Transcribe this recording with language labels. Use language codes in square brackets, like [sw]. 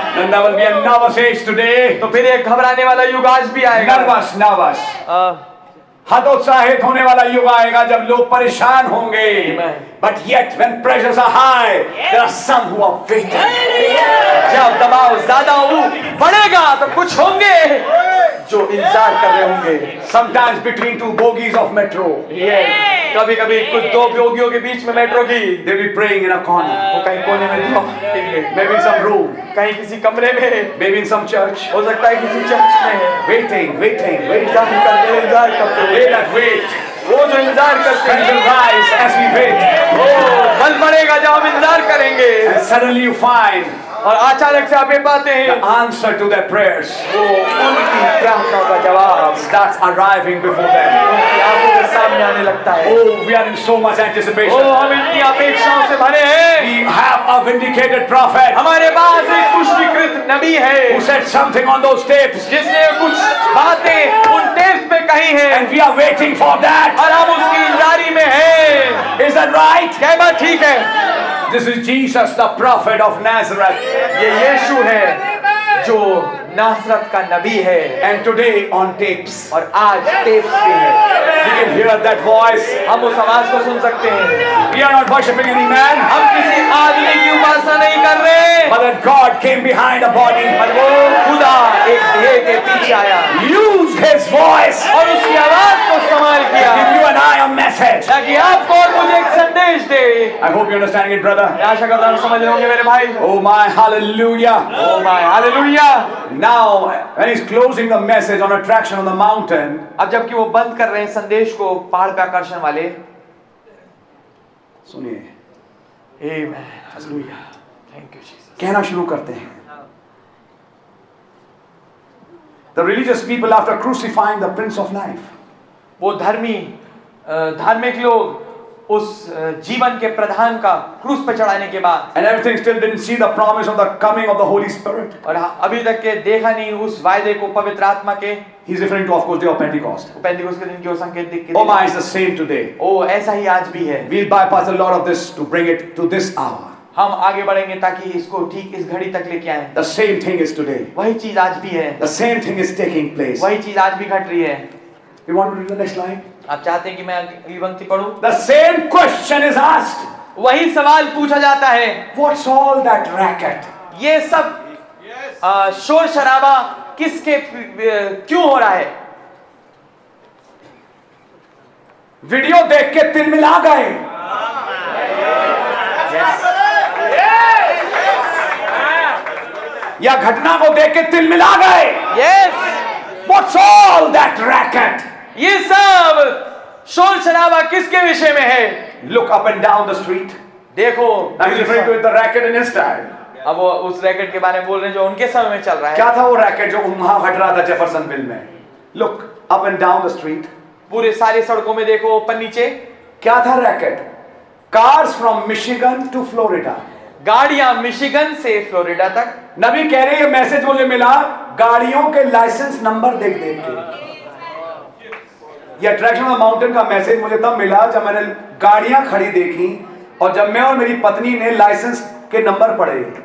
[en] Then there will be a nervous age today. [hi] तो फिर एक घबराने वाला युग आज भी आएगा. [en] Nervous, nervous. [hi] हतोत्साहित होने वाला युग आएगा जब लोग परेशान होंगे. [en] But yet when pressures are high, there are some who are waiting. [hi] जब दबाव ज़्यादा हो, बढ़ेगा तो कुछ होंगे. जो इंतजार कर रहे होंगे. [en] Sometimes between two bogies of metro. [hi] कभी-कभी कुछ दो बोगियों के बीच में मेट्रो की. [en] They'll be praying in a corner. [hi] वो कहीं कोने में दुआ करेंगे. [en] Maybe in some room. [hi] कहीं किसी कमरे में. [en] Maybe in some church. [hi] हो सकता है किसी चर्च में. [en] Waiting, waiting, waiting. [hi] जब इंतजार करते हैं, इंतजार करते हैं. [en] They that wait. [hi] वो जो इंतजार करते हैं. [en] Will rise as we wait. [hi] वो बल बढ़ेगा जब हम इंतजार करेंगे. [en] And suddenly you find. [hi] और अचानक से आप ये पाते हैं. [en] The answer to their prayers. [hi] वो उनकी प्रार्थनाओं का जवाब. [en] Starts arriving before them. [hi] उनकी आंखों के सामने आने लगता है. [en] Oh, we are in so much anticipation. [hi] Oh, हम इतनी अपेक्षाओं से भरे हैं. [en] We have a vindicated prophet. [hi] हमारे पास एक पुष्टिकृत नबी है. [en] Who said something on those tapes? [hi] जिसने कुछ बातें उन टेप्स में कही हैं. [en] And we are waiting for that. [hi] और हम उसकी इंतजारी में हैं. [en] Is that right? [hi] क्या बात ठीक है? [en] This is Jesus, the prophet of Nazareth. [hi] ये यीशु है जो नासरत का नबी है. [en] And today on tapes. [hi] और आज टेप्स पे है. [en] We can hear that voice. [hi] हम उस आवाज को सुन सकते हैं. [en] We are not worshiping any man. [hi] हम किसी आदमी की उपासना नहीं कर रहे. [en] But that God came behind a body. [hi] और वो खुदा एक देह के पीछे आया. [en] Use His voice. [hi] और उसकी आवाज को इस्तेमाल किया. [en] Give you and I a message. [hi] ताकि आपको और मुझे एक संदेश दे. [en] I hope you're understanding it, brother. [hi] आशा करता हूँ समझ रहे होंगे मेरे भाई. [en] Oh my hallelujah. Oh my hallelujah. Now when he's closing the message on attraction on the mountain. [hi] अब जबकि वो बंद कर रहे हैं संदेश को पहाड़ पे आकर्षण वाले. सुनिए. [en] Amen. Hallelujah. Thank you, Jesus. [hi] कहना शुरू करते हैं. [en] The religious people after crucifying the Prince of Life. [hi] वो धर्मी धार्मिक लोग उस जीवन के प्रधान का क्रूस पर चढ़ाने के बाद. [en] And everything still didn't see the promise of the coming of the Holy Spirit. [hi] और अभी तक के देखा नहीं उस वायदे को पवित्र आत्मा के. [en] He's referring to, of course, day of Pentecost. [hi] Pentecost के दिन की ओर संकेत दिखे. [en] Oh my, it's the same today. [hi] ओ ऐसा ही आज भी है. [en] We'll bypass a lot of this to bring it to this hour. [hi] हम आगे बढ़ेंगे ताकि इसको ठीक इस घड़ी तक लेके आए. [en] The same thing is today. [hi] वही चीज आज भी है. [en] The same thing is taking place. [hi] वही चीज आज भी घट रही है. [en] You want to read the next line? [hi] आप चाहते हैं कि मैं अगली पंक्ति पढूं? [en] The same question is asked. [hi] वही सवाल पूछा जाता है. [en] What's all that racket? [hi] ये सब शोर शराबा किसके क्यों हो रहा है? वीडियो देख के तिलमिला गए. या घटना को देख के तिलमिला गए. [en] Yes. What's all that racket? [hi] ये सब शोर शराबा किसके विषय में है? [en] Look up and down the street. [hi] देखो. [en] Now he's referring to the racket in his time. [hi] अब वो उस racket के बारे में बोल रहे हैं जो उनके समय में चल रहा है. क्या था वो racket जो वहां घट रहा था जेफरसनविल में? [en] Look up and down the street. [hi] पूरे सारे सड़कों में देखो ऊपर नीचे. क्या था racket? [en] Cars from Michigan to Florida. [hi] गाड़ियां मिशिगन से फ्लोरिडा तक. नबी कह रहे हैं ये मैसेज मुझे मिला गाड़ियों के लाइसेंस नंबर देख देख के. अट्रैक्शन ऑफ माउंटेन का मैसेज मुझे तब मिला जब मैंने गाड़ियां खड़ी देखी और जब मैं और मेरी पत्नी ने लाइसेंस के नंबर पढ़े.